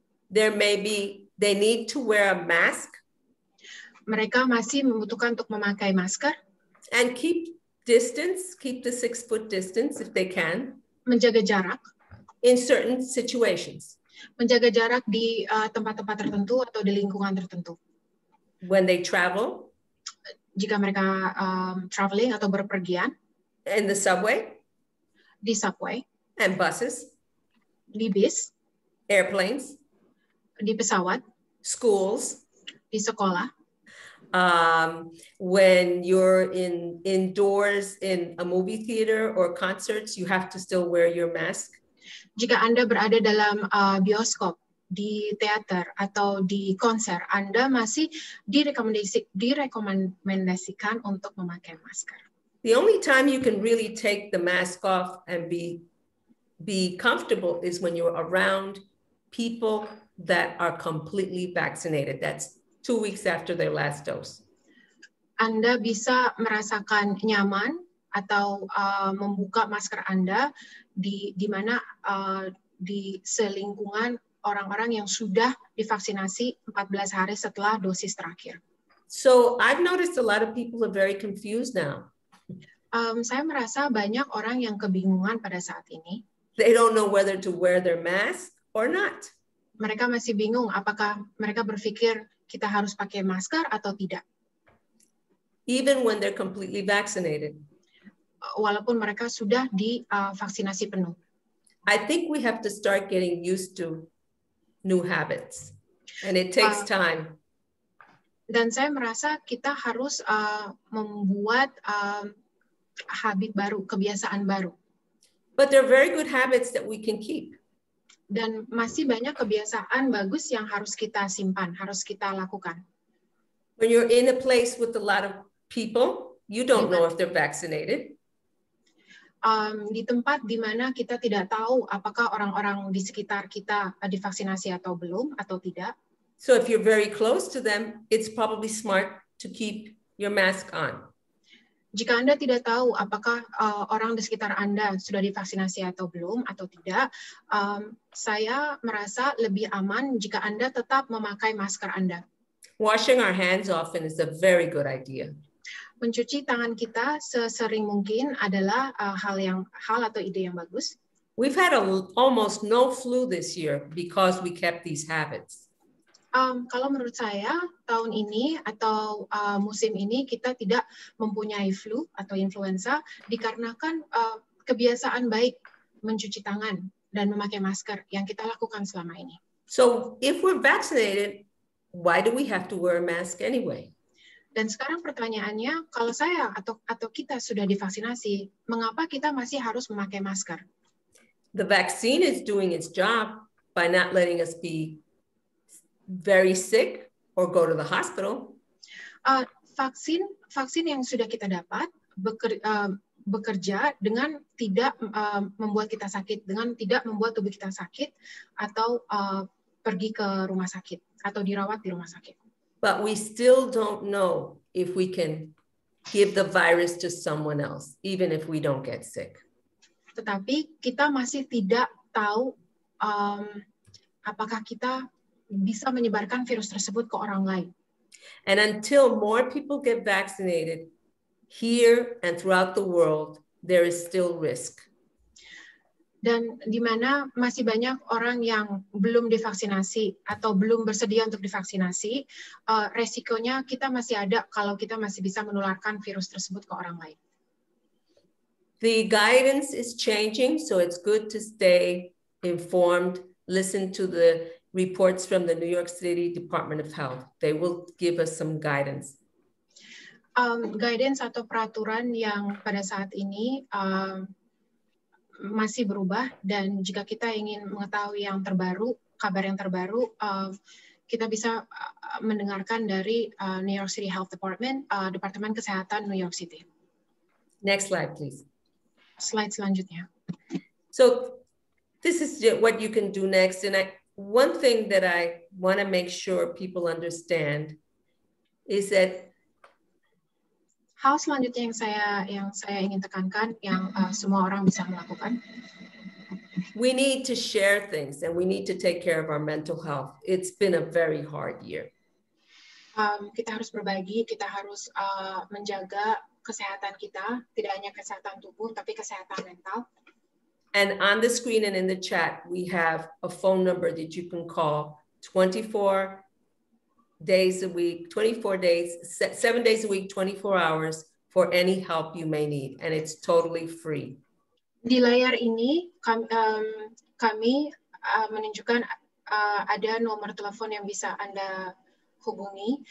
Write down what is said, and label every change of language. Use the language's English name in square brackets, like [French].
[English] There may be they need to wear a mask. [Indonesian] Mereka masih membutuhkan untuk memakai masker. [English] And keep distance, keep the 6-foot distance if they can. [Indonesian] Menjaga jarak. [English] In certain situations. [Indonesian] Menjaga jarak di tempat-tempat tertentu atau di lingkungan tertentu. [English] When they travel. [Indonesian] Jika mereka traveling atau berpergian. [English] In the subway. [Indonesian] Di subway. [English] And buses. [Indonesian] Di bis. [English] Airplanes. [Indonesian] Di pesawat. [English] Schools. [Indonesian] Di sekolah. [English] When you're indoors in a movie theater or concerts, you have to still wear your mask. [Indonesian] Jika Anda berada dalam bioskop, di teater atau di konser, Anda masih direkomendasikan untuk memakai masker. [English] The only time you can really take the mask off and be comfortable is when you're around people that are completely vaccinated. That's 2 weeks after their last dose. [Indonesian] Anda bisa merasakan nyaman atau membuka masker Anda di mana di selingkungan orang-orang yang sudah divaksinasi 14 hari setelah dosis terakhir. [English] So I've noticed a lot of people are very confused now. [Indonesian] Saya merasa banyak orang yang kebingungan pada saat ini. [English] They don't know whether to wear their mask or not. [Indonesian] Mereka masih bingung apakah mereka berpikir kita harus pakai masker atau tidak. [English] Even when they're completely vaccinated. [Indonesian] Walaupun mereka sudah divaksinasi penuh. [English] I think we have to start getting used to new habits. And it takes time. [Indonesian] Dan saya merasa kita harus membuat habit baru, kebiasaan baru. [English] But there are very good habits that we can keep. [Indonesian] Dan masih banyak kebiasaan bagus yang harus kita simpan, harus kita lakukan. [English] When you're in a place with a lot of people, you don't know if they're vaccinated. [Indonesian] Di tempat di mana kita tidak tahu apakah orang-orang di sekitar kita divaksinasi atau belum atau tidak. [English] So if you're very close to them, it's probably smart to keep your mask on. [Indonesian] Jika Anda tidak tahu apakah orang di sekitar Anda sudah divaksinasi atau belum atau tidak, saya merasa lebih aman jika Anda tetap memakai masker Anda. [English] Washing our hands often is a very good idea. [Indonesian] Mencuci tangan kita sesering mungkin adalah hal atau ide yang bagus. [English] We've had almost no flu this year because we kept these habits. [Indonesian] Kalau menurut saya, tahun ini atau musim ini kita tidak mempunyai flu atau influenza dikarenakan kebiasaan baik mencuci tangan dan memakai masker yang kita lakukan selama ini. [English] So, if we're vaccinated, why do we have to wear a mask anyway? [Indonesian] Dan sekarang pertanyaannya, kalau saya atau kita sudah divaksinasi, mengapa kita masih harus memakai masker? [English] The vaccine is doing its job by not letting us be very sick or go to the hospital. [Indonesian] Vaksin yang sudah kita dapat bekerja dengan tidak membuat kita sakit, dengan tidak membuat tubuh kita sakit atau pergi ke rumah sakit atau dirawat di rumah sakit. [English] But we still don't know if we can give the virus to someone else, even if we don't get sick. [Indonesian] Tetapi kita masih tidak tahu apakah kita bisa menyebarkan virus tersebut ke orang lain. [English] And until more people get vaccinated here and throughout the world, there is still risk. [Indonesian] Dan di mana masih banyak orang yang belum divaksinasi atau belum bersedia untuk divaksinasi, resikonya kita masih ada kalau kita masih bisa menularkan virus tersebut ke orang lain. [English] The guidance is changing, so it's good to stay informed, listen to the reports from the New York City Department of Health. They will give us some guidance. [Indonesian] Guidance atau peraturan yang pada saat ini masih berubah, dan jika kita ingin mengetahui yang terbaru, kabar yang terbaru, kita bisa mendengarkan dari New York City Health Department, Departemen Kesehatan New York City. [English] Next slide, please. [Indonesian] Slide selanjutnya. [English] So, this is what you can do next, and one thing that I want to make sure people understand is that. [Indonesian] Hal selanjutnya yang saya ingin tekankan, yang semua orang bisa melakukan. [English] We need to share things and we need to take care of our mental health. It's been a very hard year. [Indonesian] Kita harus berbagi, kita harus menjaga kesehatan kita, tidak hanya kesehatan tubuh, tapi kesehatan mental. [English] And on the screen and in the chat, we have a phone number that you can call 24 days a week, 24 days, 7 days a week, 24 hours for any help you may need. And it's totally free. [Indonesian] Di layar ini, kami menunjukkan ada nomor telepon yang bisa Anda hubungi.